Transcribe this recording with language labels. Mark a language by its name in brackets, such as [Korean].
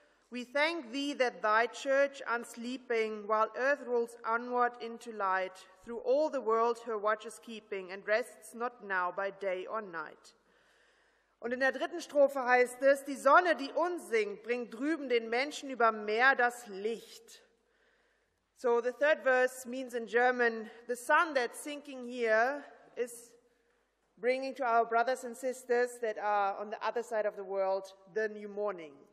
[English] We thank thee that thy church, unsleeping, while earth rolls onward into light, through all the world her watch is keeping and rests not now by day or night. [German] Und in der dritten Strophe heißt es, die Sonne, die uns singt, bringt drüben den Menschen über Meer das Licht. [English] So the third verse means in German, the sun that's sinking here is bringing to our brothers and sisters that are on the other side of the world the new morning.